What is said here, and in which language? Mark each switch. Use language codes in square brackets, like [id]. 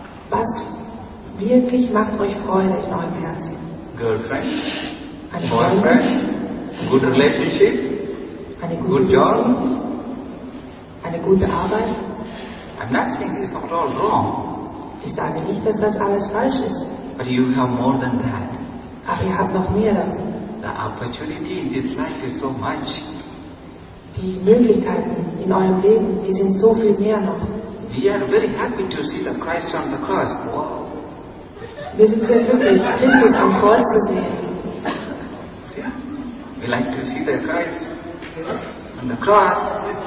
[de] Was wirklich macht euch Freude in eurem Herzen? [en] Girlfriend? [de] Eine Boyfriend? Freundin? [en] Good relationship? [de] Eine gute [en] Good job? [de] Eine gute Arbeit? [en] I'm not saying it's not all wrong. [de] Ich sage nicht, dass das alles falsch ist. [en] But you have more than that. [de] Aber ihr habt noch mehr. [en] The opportunity in this life is so much. [de] Die Möglichkeiten in eurem Leben, die sind so viel mehr noch. [en] We are very happy to see the Christ on the cross. Wow. [de] Wir sind sehr glücklich, Christus am Kreuz zu sehen. [en] Yeah. We like to see the Christ on the cross.